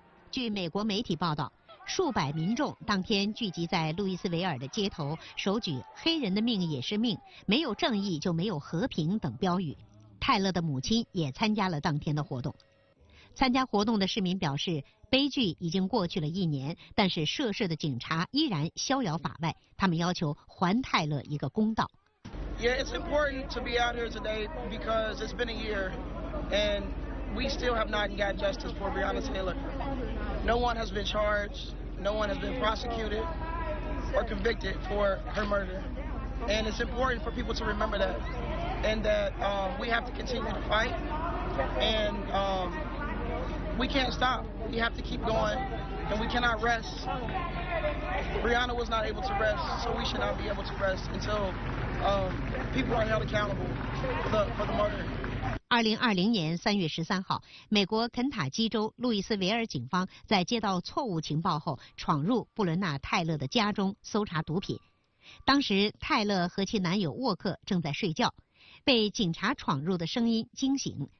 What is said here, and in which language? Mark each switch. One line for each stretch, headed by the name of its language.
Chinese: 据美国媒体报道，数百民众当天聚集在路易斯维尔的街头，手举“黑人的命也是命，没有正义就没有和平”等标语。泰勒的母亲也参加了当天的活动。参加活动的市民表示，悲剧已经过去了一年，但是涉事的警察依然逍遥法外，他们要求还泰勒一个公道。
English: Yeah, it's important to be out here today because it's been a year and we still have not gotten justice for Breonna Taylor. No one has been charged, no one has been prosecuted or convicted for her murder. And it's important for people to remember that and that we have to continue to fight and we can't stop. We have to keep going, and we cannot rest. Breonna was not able to rest, so we should not be able to rest until people are held accountable for the murder.
Chinese: 2020年3月13号，美国肯塔基州路易斯维尔警方在接到错误情报后，闯入布伦纳泰勒的家中搜查毒品。当时泰勒和其男友沃克正在睡觉，被警察闯入的声音惊醒。